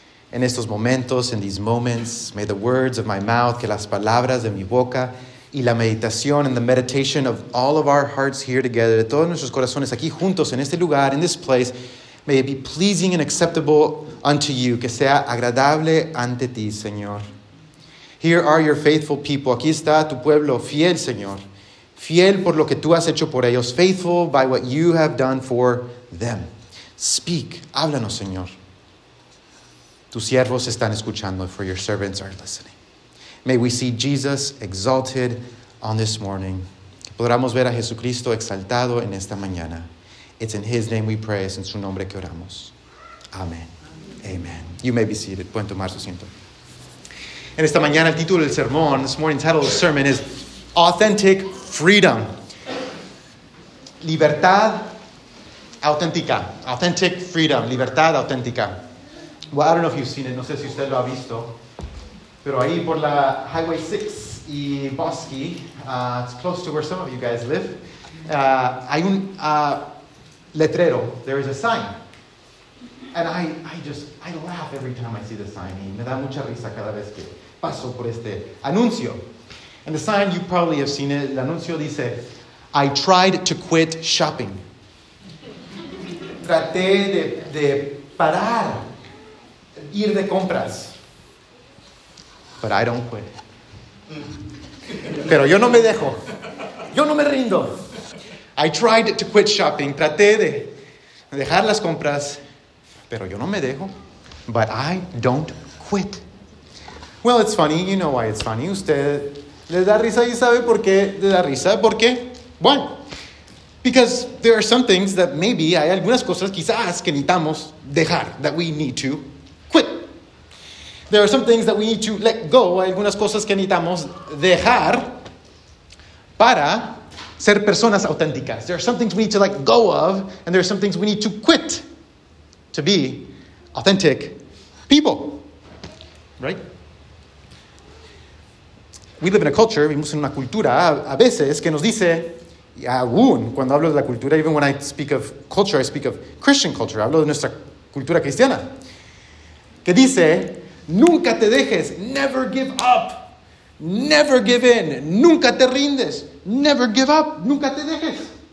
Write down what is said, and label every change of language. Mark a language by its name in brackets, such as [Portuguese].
[Spanish] En estos momentos, [English] in these moments, may the words of my mouth, [Spanish] que las palabras de mi boca, y la meditación [English] and the meditation of all of our hearts here together, [Spanish] de todos nuestros corazones aquí juntos, en este lugar, [English] in this place, may it be pleasing and acceptable unto you, [Spanish] que sea agradable ante ti, Señor. [English] Here are your faithful people. [Spanish] Aquí está tu pueblo fiel, Señor. Fiel por lo que tú has hecho por ellos. [English] Faithful by what you have done for them. Speak. [Spanish] Háblanos, Señor. Tus siervos están escuchando, [English] for your servants are listening. May we see Jesus exalted on this morning. [Spanish] Que podamos ver a Jesucristo exaltado en esta mañana. [English] It's in his name we pray. [Spanish] Es en su nombre que oramos. Amén. [English] Amen. You may be seated. [Spanish] Pueden tomar su asiento. En esta mañana, el título del sermón, [English] this morning's title of the sermon is Authentic Freedom. [Spanish] Libertad auténtica. [English] Authentic freedom. [Spanish] Libertad auténtica. [English] Well, I don't know if you've seen it. [Spanish] No sé si usted lo ha visto. Pero ahí por la Highway 6 y Bosque, [English] it's close to where some of you guys live, [Spanish] hay un letrero. [English] There is a sign. And I laugh every time I see the sign. [Spanish] Y me da mucha risa cada vez que paso por este anuncio. [English] And the sign, you probably have seen it. [Spanish] El anuncio dice, [English] I tried to quit shopping. [Spanish] Traté de parar, ir de compras. [English] But I don't quit. [Spanish] Pero yo no me dejo. Yo no me rindo. [English] I tried to quit shopping. [Spanish] Traté de dejar las compras. Pero yo no me dejo. [English] But I don't quit. Well, it's funny. You know why it's funny. [Spanish] Usted le da risa y sabe por qué le da risa. ¿Por qué? Bueno, [English] because there are some things that maybe, [Spanish] hay algunas cosas quizás que necesitamos dejar, [English] that we need to quit. There are some things that we need to let go. [Spanish] Hay algunas cosas que necesitamos dejar para ser personas auténticas. [English] There are some things we need to let go of, and there are some things we need to quit to be authentic people. Right? We live in a culture, [Spanish] vivimos en una cultura, a veces, que nos dice, aún, cuando hablo de la cultura, [English] even when I speak of culture, I speak of Christian culture, [Spanish] hablo de nuestra cultura cristiana, que dice, nunca te dejes, [English] never give up, never give in, [Spanish] nunca te rindes, [English] never give up, [Spanish] nunca te dejes.